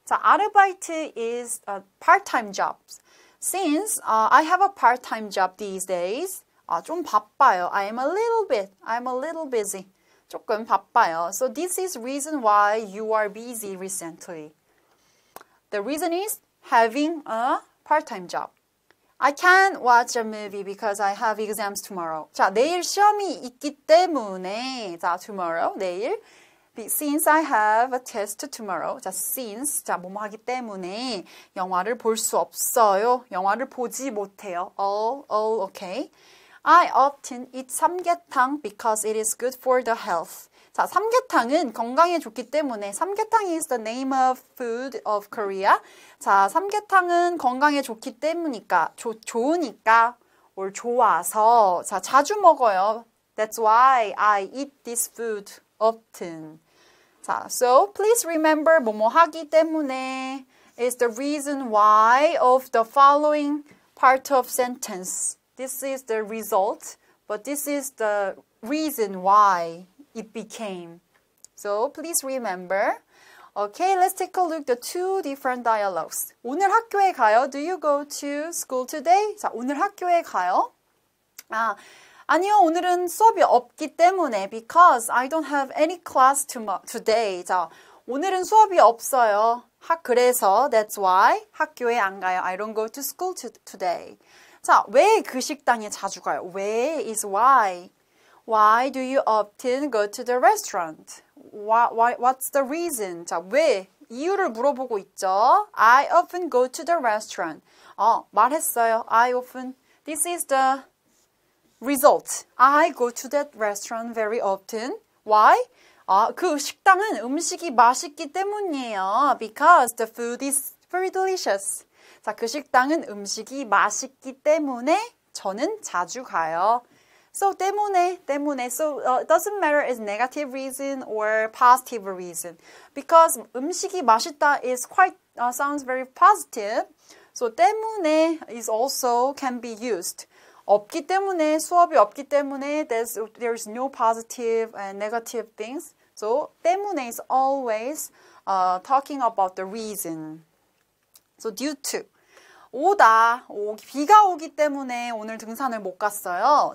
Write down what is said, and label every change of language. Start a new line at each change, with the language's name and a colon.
English: 자, 아르바이트 is a part-time job. Since I have a part-time job these days,
Korean: 좀 바빠요.
English: I'm a little busy.
Korean: 조금 바빠요.
English: So this is reason why you are busy recently. The reason is having a part-time job. I can't watch a movie because I have exams tomorrow.
Korean: 자, 내일 시험이 있기 때문에.
English: 자, tomorrow, 내일. Since I have a test tomorrow.
Korean: 자, since, 자, 뭐뭐 하기 때문에 영화를 볼 수 없어요. 영화를 보지 못해요.
English: All okay. I often eat 삼계탕 because it is good for the health.
Korean: 자, 삼계탕은 건강에 좋기 때문에.
English: 삼계탕 is the name of food of Korea.
Korean: 자, 삼계탕은 건강에 좋기 때문이니까, 좋으니까, or 좋아서.
English: 자,
Korean: 자주 먹어요.
English: That's why I eat this food often. 자, so please remember
Korean: 뭐뭐 하기 때문에
English: is the reason why of the following part of sentence. This is the result, but this is the reason why it became. So please remember. Okay, let's take a look at the two different dialogues.
Korean: 오늘 학교에 가요?
English: Do you go to school today?
Korean: 자, 오늘 학교에 가요? 아, 아니요, 오늘은 수업이 없기 때문에.
English: Because I don't have any class today.
Korean: 자, 오늘은 수업이 없어요. 그래서
English: that's why
Korean: 학교에 안 가요.
English: I don't go to school today.
Korean: 자, 왜 그 식당에 자주 가요?
English: 왜 is why. Why do you often go to the restaurant? What's the reason?
Korean: 자, 왜? 이유를 물어보고 있죠.
English: I often go to the restaurant.
Korean: 말했어요.
English: I often. This is the Result. I go to that restaurant very often. Why?
Korean: 아, 그 식당은 음식이 맛있기 때문이에요.
English: Because the food is very delicious.
Korean: 자, 그 식당은 음식이 맛있기 때문에 저는 자주 가요.
English: So, 때문에. So, it doesn't matter if it's negative reason or positive reason. Because
Korean: 음식이 맛있다
English: is quite, sounds very positive. So, 때문에 is also can be used.
Korean: 없기 때문에, 수업이 없기 때문에,
English: there's no positive and negative things. So, 때문에 is always talking about the reason. So, due to.
Korean: 오다, 비가 오기 때문에 오늘 등산을 못 갔어요.